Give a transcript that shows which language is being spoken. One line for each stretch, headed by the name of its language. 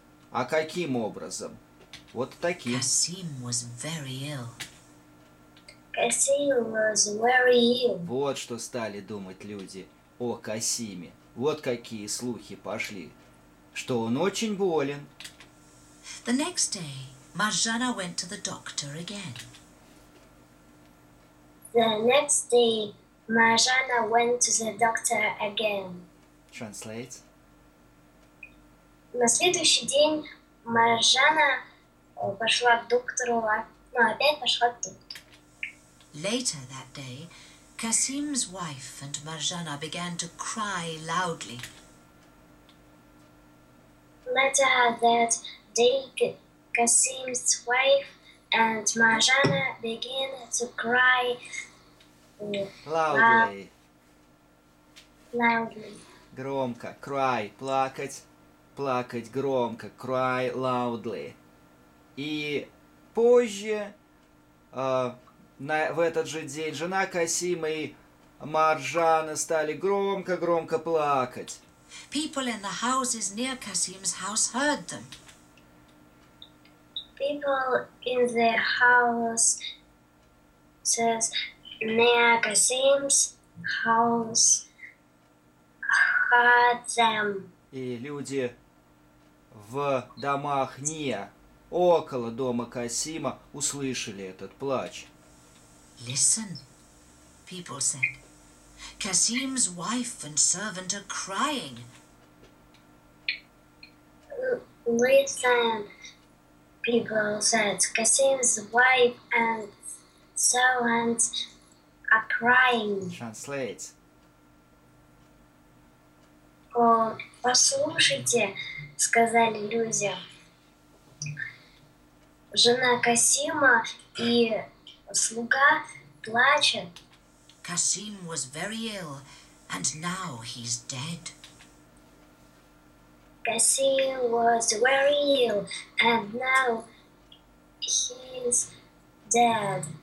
Russian: А каким образом? Вот таким.
English: Kasim was very ill. Kasim was very ill.
Russian: Вот что стали думать люди о Касиме. Вот какие слухи пошли, что он очень болен.
English: The next day, Marjana went to the doctor again. The next day, Marjana went to the doctor again. Translate.
Russian: На следующий день Marjana пошла к доктору, но опять пошла к доктору.
English: Later that day, Kasim's wife and Marjana began to cry loudly. letter that day, Kasim's wife and Marjana begin to cry loudly. Loudly.
Russian: Громко. Cry. Плакать. Плакать громко.
English: Cry loudly.
Russian: И позже, в этот же день, жена Касима и Марджана стали громко-громко плакать.
English: People in the houses near Kasim's house heard them. People in the house says near Kasim's house heard them.
Russian: И люди в домах не около дома Касима услышали этот плач.
English: Listen, people said. Kasim's wife and servant are crying. Listen, people said, Kasim's wife and servant are crying. Translate.
Russian: О, послушайте, сказали люди. Жена Касима и слуга плачут.
English: Kasim was very ill, and now he's dead. Kasim was very ill, and now he's dead.